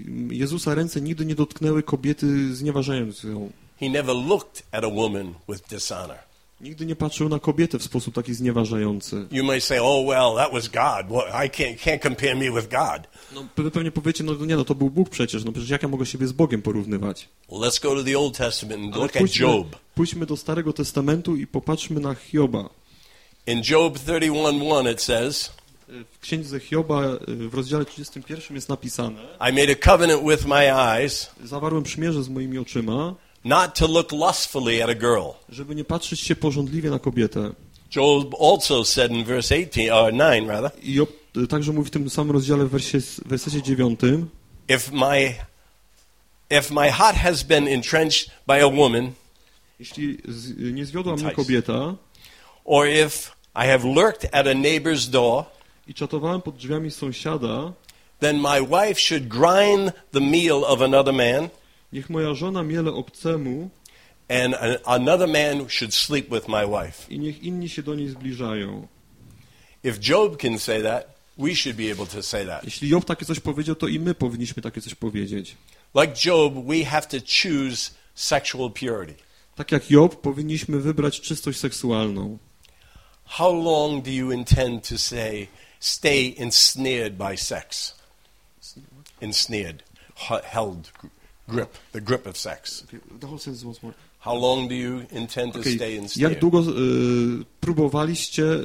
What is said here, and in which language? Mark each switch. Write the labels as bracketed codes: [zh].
[pl] Jezusa ręce nigdy nie dotknęły kobiety znieważając ją. [en] He never looked at a woman with dishonor. [pl] Nigdy nie patrzył na kobietę w sposób taki znieważający. [en] You may say, oh well, that was God. Well, I can't compare me with God. [pl] No, pewnie powiecie, to był Bóg przecież. No przecież jak ja mogę siebie z Bogiem porównywać? [en] Well, let's go to the Old Testament and look at Job. [pl] Pójdźmy do Starego Testamentu i popatrzmy na Hioba. [en] In Job 31:1 it says, [pl] w księdze Hioba w rozdziale 31 jest napisane: [en] I made a covenant with my eyes. [pl] Zawarłem przymierze z moimi oczyma. [en] Not to look lustfully at a girl. [pl] Żeby nie patrzeć się pożądliwie na kobietę. [en] Job also said in verse 18 or 9 rather. [pl] Job także mówi w tym samym rozdziale w wersecie 9. [en] If my heart has been entrenched by a woman, [pl] jeśli nie zwiodła mnie kobieta, [en] or if I have lurked at a neighbor's door, [pl] i czatowałem pod drzwiami sąsiada, [en] then my wife should grind the meal of another man, [pl] niech moja żona miele obcemu, [en] and another man should sleep with my wife, [pl] i niech inni się do niej zbliżają. [en] If Job can say that, we should be able to say that. [pl] Jeśli Job takie coś powiedział, to i my powinniśmy takie coś powiedzieć. [en] Like Job, we have to choose sexual purity. [pl] Tak jak Job, powinniśmy wybrać czystość seksualną. [en] How long do you intend to say stay ensnared by sex? Ensnared, held, grip, the grip of sex. Okay, the whole sentence once more. How long do you intend to stay ensnared? [pl] Jak długo próbowaliście?